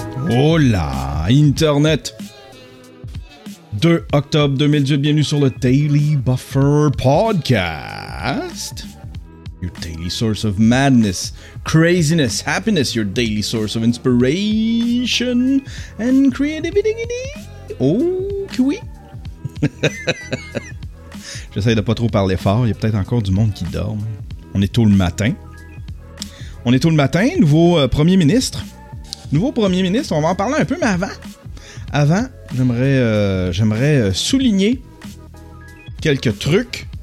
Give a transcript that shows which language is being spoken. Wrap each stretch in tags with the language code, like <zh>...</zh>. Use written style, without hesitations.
<es>Hola, Internet!</es> <fr>2 octobre 2018, bienvenue sur le Daily Buffer Podcast.</fr> <en>Your daily source of madness, craziness, happiness, your daily source of inspiration and creativity.</en> <fr>Oh, que oui! J'essaie de pas trop parler fort, il y a peut-être encore du monde qui dort. On est tôt le matin, nouveau premier ministre, on va en parler un peu, mais avant, j'aimerais souligner quelques trucs.</fr>